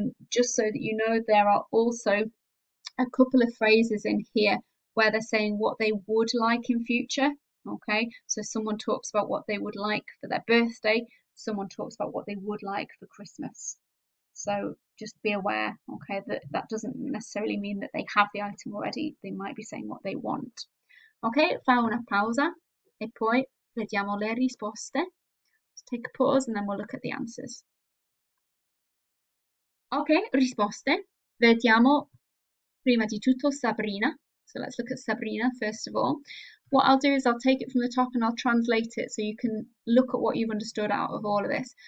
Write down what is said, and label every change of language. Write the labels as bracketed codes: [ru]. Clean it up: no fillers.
[en] Just so that you know, there are also a couple of phrases in here where they're saying what they would like in future. Okay, so someone talks about what they would like for their birthday, someone talks about what they would like for Christmas. So just be aware, okay, that doesn't necessarily mean that they have the item already. They might be saying what they want. [it] Ok, fa una pausa e poi vediamo le risposte. [en] Let's take a pause and then we'll look at the answers. [it] Ok, risposte. Vediamo prima di tutto Sabrina. [en] So let's look at Sabrina first of all. What I'll do is I'll take it from the top and I'll translate it so you can look at what you've understood out of all of this.